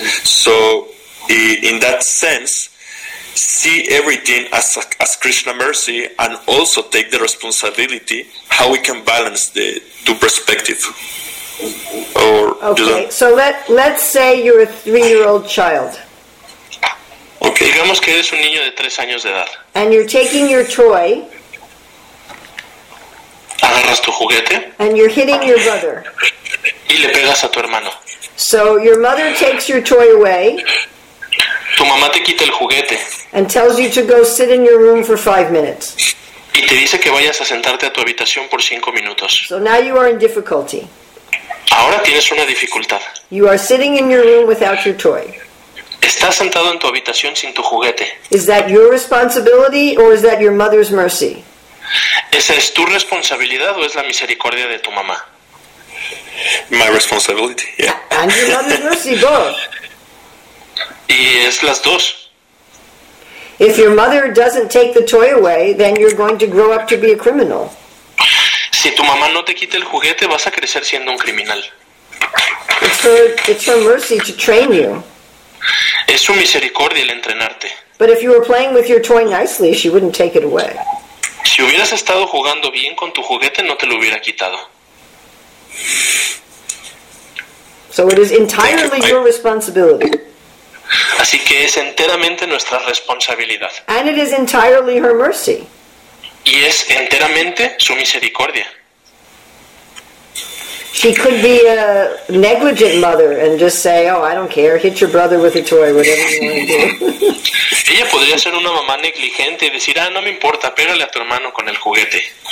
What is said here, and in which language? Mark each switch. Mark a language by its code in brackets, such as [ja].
[en] So in that sense, see everything as Krishna mercy, and also take the responsibility, how we can balance the two perspectives. Okay, so let's say you're a 3-year-old child. [es] Okay, digamos que eres un niño de 3 años de edad. [en] And you're taking your toy. [es] Agarras tu juguete. [en] And you're hitting your brother. [es] Y le pegas a tu hermano. [en] So your mother takes your toy away. [es] Tu mamá te quita el juguete. [en] And tells you to go sit in your room for 5 minutes. [es] Y te dice que vayas a sentarte a tu habitación por 5 minutos. [en] So now you are in difficulty. [es] Ahora tienes una dificultad. [en] You are sitting in your room without your toy. [es] Estás sentado en tu habitación sin tu juguete. [en] Is that your responsibility or is that your mother's mercy? [es] ¿Esa es tu responsabilidad o es la misericordia de tu mamá? [en] My responsibility, yeah. And your mother's mercy, both. [es] Y es las dos. [en] If your mother doesn't take the toy away, then you're going to grow up to be a criminal. [es] Si tu mamá no te quita el juguete, vas a crecer siendo un criminal. [en] It's her mercy to train you. [es] Es su misericordia el entrenarte. [en] But if you were playing with your toy nicely, she wouldn't take it away. [es] Si hubieras estado jugando bien con tu juguete, no te lo hubiera quitado. [en] So it is entirely your responsibility. [es] Así que es enteramente nuestra responsabilidad. [en] And it is entirely her mercy. [es] Y es enteramente su misericordia. [en] She could be a negligent mother and just say, oh, I don't care, hit your brother with a toy, whatever you want to do. [es] Ella podría ser una mamá negligente y decir, ah, no me importa, pégale a tu hermano con el juguete.